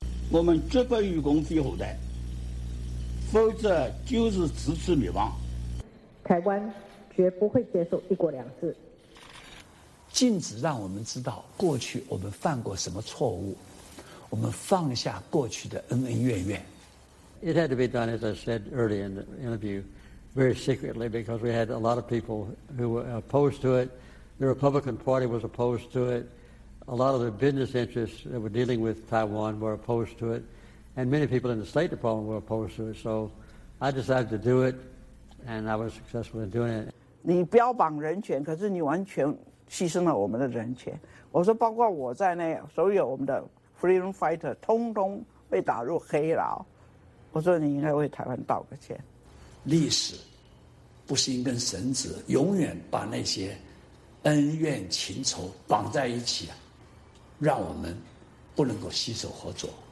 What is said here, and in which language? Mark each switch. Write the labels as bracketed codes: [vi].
[zh] 我们绝不与共匪后代，否则就是自取灭亡。台湾绝不会接受一国两制。禁止让我们知道过去我们犯过什么错误，我们放下过去的恩恩怨怨。 [en] It had to be done, as I said earlier in the interview, very secretly, because we had a lot of people who were opposed to it. The Republican Party was opposed to it. A lot of the business interests that were dealing with Taiwan were opposed to it. And many people in the State Department were opposed to it. So I decided to do it, and I was successful in doing it. [zh] 你标榜人权，可是你完全牺牲了我们的人权。我说包括我在内，所有我们的 [en] Freedom Fighter [zh] 通通被打入黑牢，我说你应该为台湾道个歉。历史不是一根绳子，永远把那些恩怨情仇绑在一起，让我们不能够携手合作。